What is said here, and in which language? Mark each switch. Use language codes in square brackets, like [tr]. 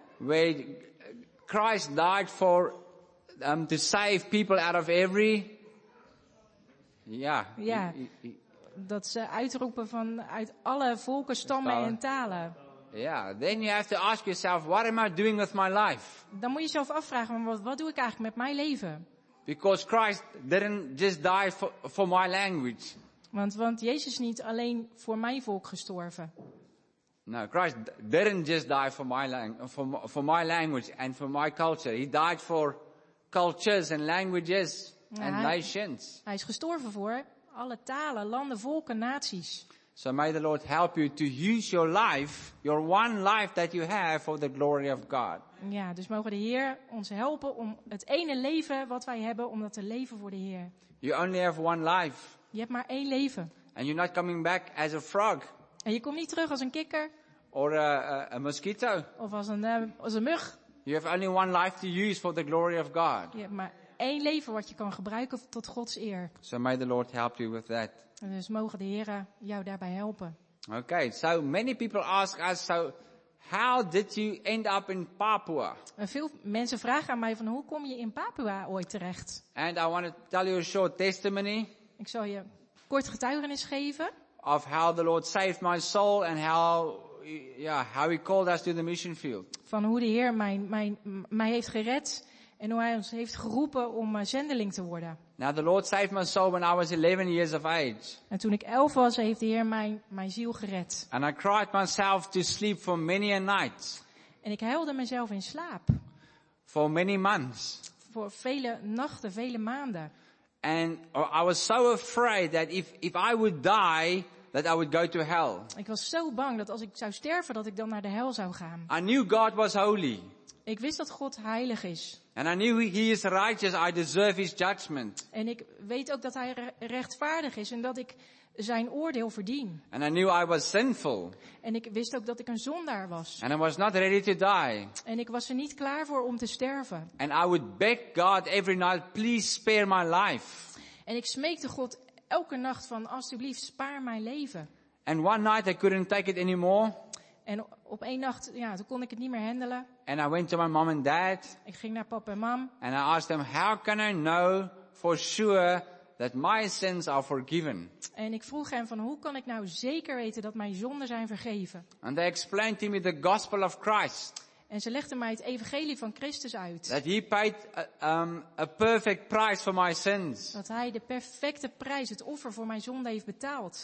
[en] Where Christ died for to save people out of every. Yeah. [nl] Ja. Dat ze uitroepen van uit alle volken, stammen en talen. [en] Yeah, then you have to ask yourself, what am I doing with my life? [nl] Dan moet je jezelf afvragen, wat doe ik eigenlijk met mijn leven? [en] Because Christ didn't just die for my language. [nl] Want Jezus is niet alleen voor mijn volk gestorven. [en] No, Christ didn't just die for my language and for my culture. He died for cultures and languages and nations. [nl] Hij is gestorven voor alle talen, landen, volken, naties. [en] So may the Lord help you to use your life, your one life that you have, for the glory of God. [nl] Ja, dus mogen de Heer ons helpen om het ene leven wat wij hebben, om dat te leven voor de Heer. [en] You only have one life. [nl] Je hebt maar één leven. [en] And you're not coming back as a frog. [nl] En je komt niet terug als een kikker. [en] Or a mosquito. [nl] Of als een mug. [en] You have only one life to use for the glory of God. [nl] Je hebt maar één leven wat je kan gebruiken tot Gods eer. [en] So may the Lord help you with that. [nl] En dus mogen de Heren jou daarbij helpen. [en] Okay, so many people ask us, so how did you end up in Papua? [nl] En veel mensen vragen aan mij van hoe kom je in Papua ooit terecht? [en] And I want to tell you a short testimony. [nl] Ik zal je kort getuigenis geven. [en] Of how the Lord saved my soul and how He called us to the mission field. [nl] Van hoe de Heer mij heeft gered. En hoe hij ons heeft geroepen om zendeling te worden. [en] Now the Lord saved my soul when I was 11 years of age. [nl] En toen ik 11 was, heeft de Heer mijn ziel gered. [en] And I cried myself to sleep for many a night. [nl] En ik huilde mezelf in slaap. [en] For many months. [nl] Voor vele nachten, vele maanden. [en] And I was so afraid that if I would die, that I would go to hell. [nl] Ik was zo bang dat als ik zou sterven, dat ik dan naar de hel zou gaan. [en] I knew God was holy. [nl] Ik wist dat God heilig is. [en] And I knew He is righteous. I deserve His judgment. [nl] En ik weet ook dat Hij rechtvaardig is en dat ik zijn oordeel verdien. [en] And I knew I was sinful. [nl] En ik wist ook dat ik een zondaar was. [en] And I was not ready to die. [nl] En ik was er niet klaar voor om te sterven. [en] And I would beg God every night, please spare my life. [nl] En ik smeekte God elke nacht van, alsjeblieft, spaar mijn leven. [en] And one night I couldn't take it anymore. [nl] En op één nacht, ja, toen kon ik het niet meer handelen. [en] And I went to my mom and dad. [nl] Ik ging naar papa en mam. [en] And I asked them, how can I know for sure that my sins are forgiven? [nl] En ik vroeg hen van, hoe kan ik nou zeker weten dat mijn zonden zijn vergeven? [en] And they explained to me the gospel of Christ. [nl] En ze legden mij het evangelie van Christus uit. [en] That he paid a perfect price for my sins. [nl] Dat hij de perfecte prijs, het offer voor mijn zonde heeft betaald.